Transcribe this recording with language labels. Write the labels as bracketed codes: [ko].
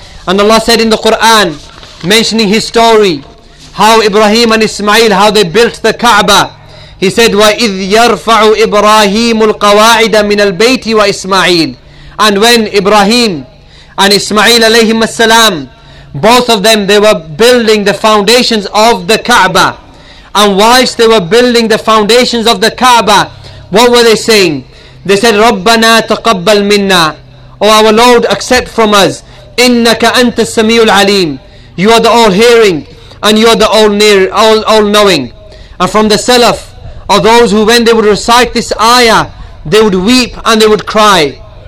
[en] And Allah said in the Quran, mentioning his story, how Ibrahim and Ismail, how they built the Kaaba, he said, [ar] وَإِذْ يَرْفَعُ إِبْرَاهِيمُ الْقَوَاعِدَ مِنَ الْبَيْتِ وَإِسْمَعِيلِ. [en] And when Ibrahim and Ismail alayhim as-salam, both of them, they were building the foundations of the Kaaba. And whilst they were building the foundations of the Kaaba, what were they saying? They said, [ar] رَبَّنَا تَقَبَّلْ مِنَّا. [en] Oh, our Lord, accept from us. [ar] إِنَّكَ أَنْتَ السَّمِيعُ الْعَلِيمُ. [en] You are the all-hearing and you are the all-knowing. And from the Salaf, of those who when they would recite this ayah, they would weep and they would cry.